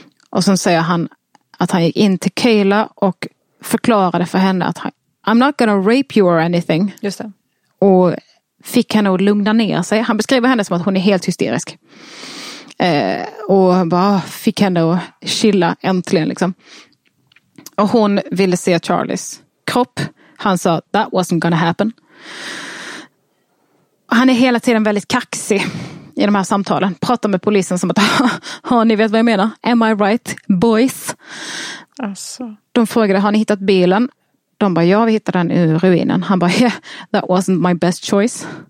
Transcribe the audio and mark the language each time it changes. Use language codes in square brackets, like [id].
[sv] Och sen säger han att han gick in till Kayla och förklarade för henne att han, [en] I'm not gonna rape you or anything. [sv] Just det. Och fick henne att lugna ner sig. Han beskriver henne som att hon är helt hysterisk. Och bara fick henne att chilla äntligen. Liksom. Och hon ville se Charlies kropp. Han sa, [en] that wasn't gonna happen. [sv] Han är hela tiden väldigt kaxig i de här samtalen. Pratar med polisen som att, ni vet vad jag menar. [en] Am I right, boys? [sv] Alltså. De frågade, har ni hittat bilen? De bara, ja, vi hittade den i ruinen. Han bara, [en] yeah, that wasn't my best choice.